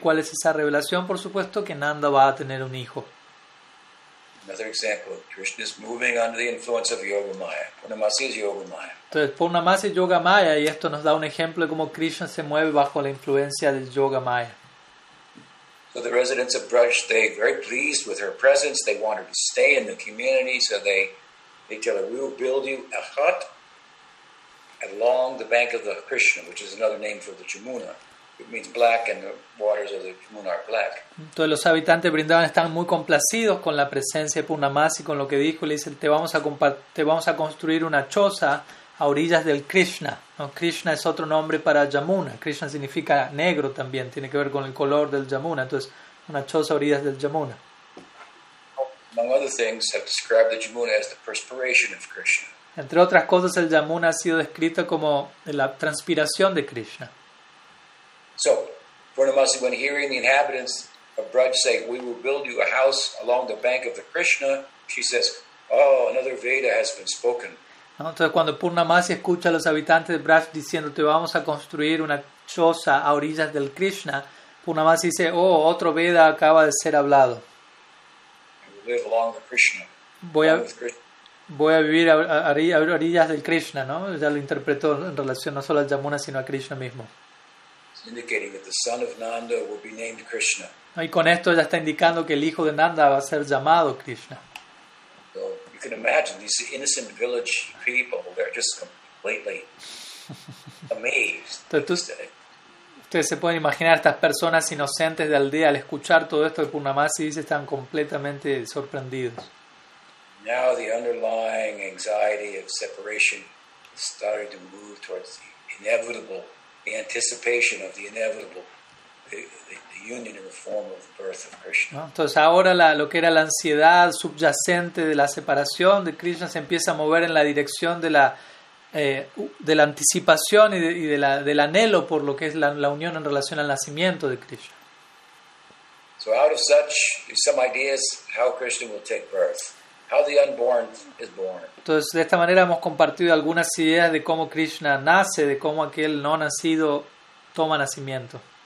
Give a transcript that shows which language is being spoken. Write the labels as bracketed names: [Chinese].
[Spanish] ¿Cuál es esa revelación? Por supuesto que Nanda va a tener un hijo. [English] Another example, Krishna is moving under the influence of Yoga Maya. Purnamasi is Yoga Maya. [Spanish] Entonces, Purnamasi es Yoga Maya, y esto nos da un ejemplo de cómo Krishna se mueve bajo la influencia del Yoga Maya. [English] So the residents of Braj, they are very pleased with her presence. They want her to stay in the community, so they tell her, we will build you a hut along the bank of the Krishna, which is another name for the Jamuna. It means black, and the waters of the Jamuna are black. [Spanish] Todos los habitantes de Vrindavan están muy complacidos con la presencia de Purnamasi, con lo que dijo. Le dice, te vamos a construir una choza a orillas del Krishna. ¿No? Krishna es otro nombre para Jamuna. Krishna significa negro también. Tiene que ver con el color del Jamuna. Entonces, una choza a orillas del Jamuna. [English] Among other things, have described the Jamuna as the perspiration of Krishna. [Spanish] Entre otras cosas, el Jamuna ha sido descrito como la transpiración de Krishna. [English] So, Purnamasi, when hearing the inhabitants of Braj say, we will build you a house along the bank of the Krishna, she says, oh, another Veda has been spoken. [Spanish] Entonces, cuando Purnamasi escucha a los habitantes de Braj diciendo, te vamos a construir una choza a orillas del Krishna, Purnamasi dice, oh, otro Veda acaba de ser hablado. [English] We live along the Krishna. [Spanish] voy a vivir a orillas del Krishna, ¿no? Ya lo interpreto en relación no solo al Yamuna, sino a Krishna mismo. [English] Indicating that the son of Nanda will be named Krishna. [Spanish] Y con esto ya está indicando que el hijo de Nanda va a ser llamado Krishna. [English] So you can imagine these innocent village people, they're just completely amazed. [Spanish] Ustedes se pueden imaginar estas personas inocentes de aldea al escuchar todo esto de Purnamasi, dice, están completamente sorprendidos. [English] Now the underlying anxiety of separation started to move towards the inevitable, the anticipation of the inevitable, the union in the form of the birth of Krishna. [Spanish] Entonces ahora lo que era la ansiedad subyacente de la separación de Krishna se empieza a mover en la dirección de la anticipación y del anhelo por lo que es la unión en relación al nacimiento de Krishna. [English] So out of such some ideas how Krishna will take birth, how the unborn is born. [Spanish] Entonces de esta manera hemos compartido algunas ideas de cómo Krishna nace, de cómo aquel no nacido toma nacimiento.